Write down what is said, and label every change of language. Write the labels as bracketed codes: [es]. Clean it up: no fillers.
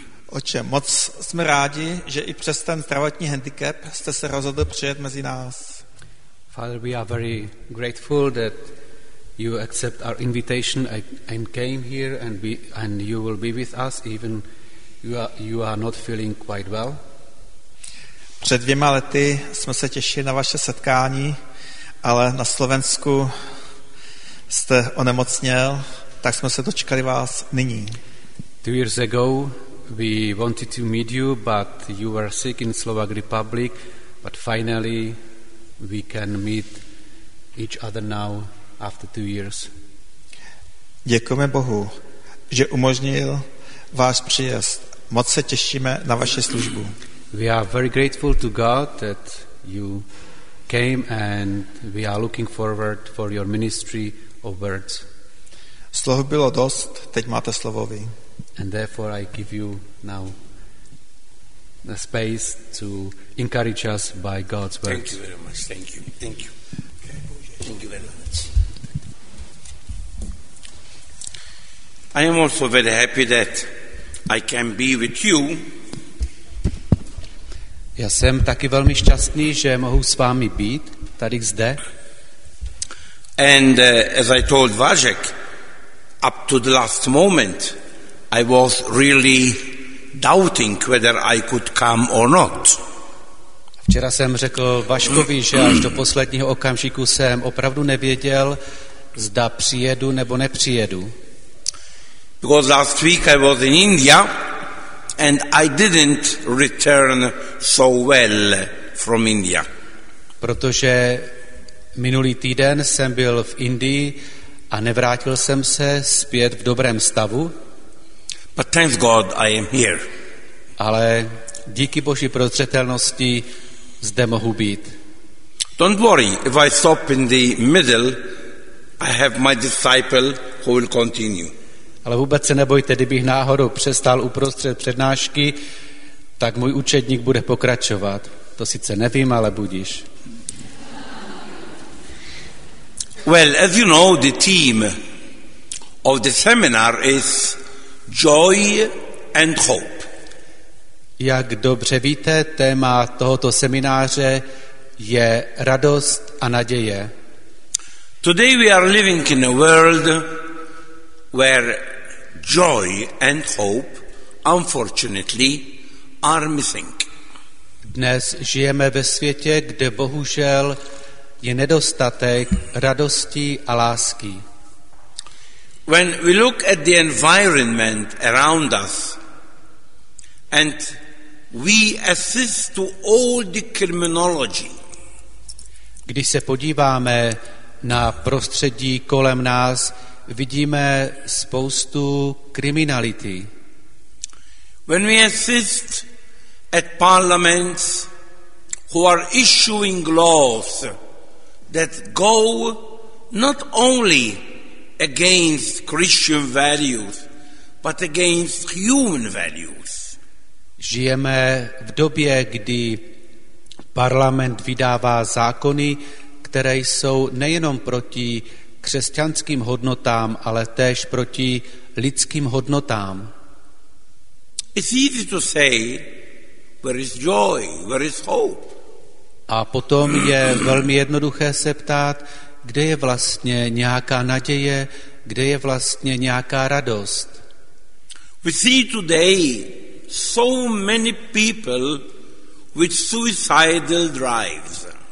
[cs] Oče, moc jsme rádi, že i přes ten zdravotní handicap jste se rozhodl přijet mezi nás. [en] Father, we are very grateful that you accept our invitation and came here and you will be with us even you are not feeling quite well. [cs] Před dvěma lety jsme se těšili na vaše setkání, ale na Slovensku jste onemocněl, tak jsme se dočkali vás nyní. [en] 2 years ago we wanted to meet you, but you were sick in Slovak Republic, but finally we can meet each other now after 2 years. [cs] Děkujeme Bohu, že umožnil váš příjezd. Moc se těšíme na vaši službu. [en] We are very grateful to God that you came and we are looking forward for your ministry of words. [cs] Slovo bylo dost, teď máte slovo vy. [en] And therefore I give you now the space to encourage us by God's word. Thank you very much. Thank you. Thank you. Thank you very much. I am also very happy that I can be with you. [cs] Já jsem taky velmi šťastný, že mohu s vámi být tady zde. [en] And as I told Vážek, up to the last moment I was really doubting whether I could come or not. [cs] Včera jsem řekl Vaškovi, že až do posledního okamžiku jsem opravdu nevěděl, zda přijedu nebo nepřijedu. [en] Because last week I was in India and I didn't return so well from India. [cs] Protože minulý týden jsem byl v Indii a nevrátil jsem se zpět v dobrém stavu. [en] But thanks God, I am here. [cs] Ale díky Boží prozřetelnosti zde mohu být. [en] Don't worry, if I stop in the middle, I have my disciple who will continue. [cs] Ale vůbec se nebojte, kdybych náhodou přestal uprostřed přednášky, tak můj učedník bude pokračovat. To sice nevím, ale budiš. [en] Well, as you know, the theme of the seminar is joy and hope. [cs] Jak dobře víte, téma tohoto semináře je radost a naděje. [en] Today we are living in a world where joy and hope, unfortunately, are missing. [cs] Dnes žijeme ve světě, kde bohužel je nedostatek radosti a lásky. [en] When we look at the environment around us and we assist to all the criminology. [cs] Když se podíváme na prostředí kolem nás, vidíme spoustu kriminality. [en] When we assist at parliaments who are issuing laws that go not only against Christian values, but against human values. [cs] Žijeme v době, kdy parlament vydává zákony, které jsou nejenom proti křesťanským hodnotám, ale též proti lidským hodnotám. [en] It's easy to say, where is joy, where is hope? [cs] A potom je velmi jednoduché se ptát, kde je vlastně nějaká naděje, kde je vlastně nějaká radost. [en] We see today so many people with suicidal drives.